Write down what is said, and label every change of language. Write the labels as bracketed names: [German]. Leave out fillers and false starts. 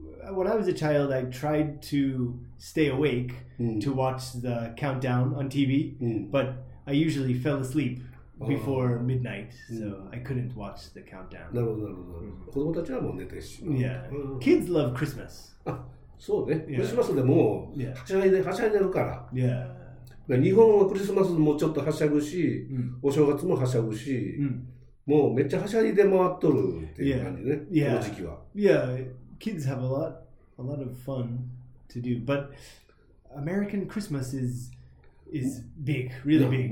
[English] When I was a child, I tried to. Stay awake to watch the countdown on TV, but I usually fell asleep before midnight, so I couldn't watch the countdown. [Japanese] なるほどなるほど。子供たちはもう寝てしまう。 [English] Yeah. Kids love Christmas. [Japanese] あ、そうね。クリスマスでもうはしゃいでるから。 [English] Yeah. [Japanese] 日本はクリスマスもちょっとはしゃぐし、お正月もはしゃぐし、もうめっちゃはしゃいで回っとるっていう感じね。 [English] Yeah. [Japanese] この時期は。 [English] Yeah. Kids have a lot of fun. To do, but American Christmas is big, really big.